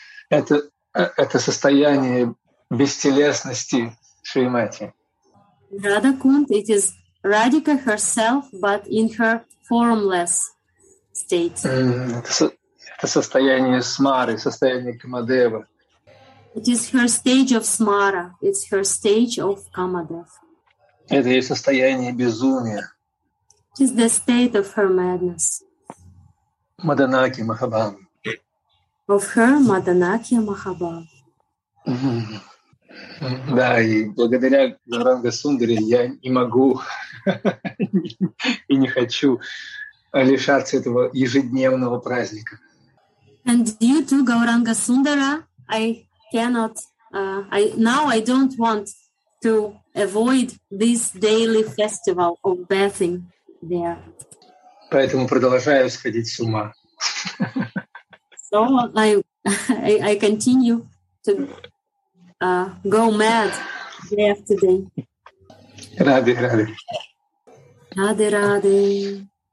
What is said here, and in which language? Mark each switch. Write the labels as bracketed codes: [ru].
[ru] Это состояние бестелесности Шримати. [en] Радхакунд, it is Radhika herself, but in her formless state. [ru] Это состояние Смары, состояние Камадева. [en] It is her stage of Smara, it's her stage of Kamadev. [ru] Это ее состояние безумия. [en] It is the state of her madness. Маданаки Махабам. Of her Маданаки Махабам. [ru] Да, и благодаря Гауранга Сундаре я не могу и не хочу лишаться этого ежедневного праздника. [en] And you too, Gauranga Sundara, I cannot, I now I don't want to avoid this daily festival of bathing there. [ru] Поэтому продолжаю сходить с ума. [en] So I continue to go mad day after day. Rade, rade. Rade, rade.